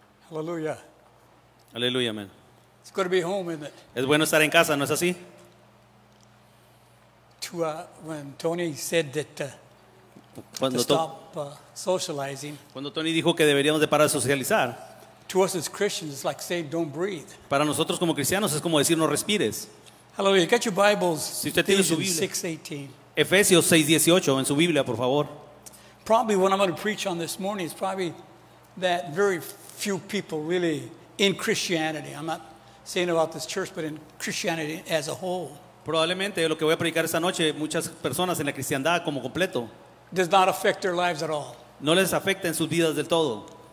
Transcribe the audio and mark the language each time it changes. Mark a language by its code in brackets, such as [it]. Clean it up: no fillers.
[es] Aleluya. Aleluya, amén. [en] It's good to be home, isn't it? [es] Es bueno estar en casa, ¿no es así? [en] When Tony said that to stop socializing. [es] Cuando Tony dijo que deberíamos de parar de socializar. [en] To us as Christians, it's like saying, "Don't breathe." [es] Para nosotros como cristianos es como decir, no respires. [en] Hallelujah! Get your Bibles. [es] Si usted tiene su Biblia. [en] 6:18. [es] Efesios 6:18 en su Biblia, por favor. [en] Probably what I'm going to preach on this morning is probably that very few people really in Christianity. I'm not saying about this church, but in Christianity as a whole. [es] Probablemente lo que voy a predicar esta noche, muchas personas en la cristiandad como completo. [en] Does not affect their lives at all. [es] No les afecta en sus vidas del todo.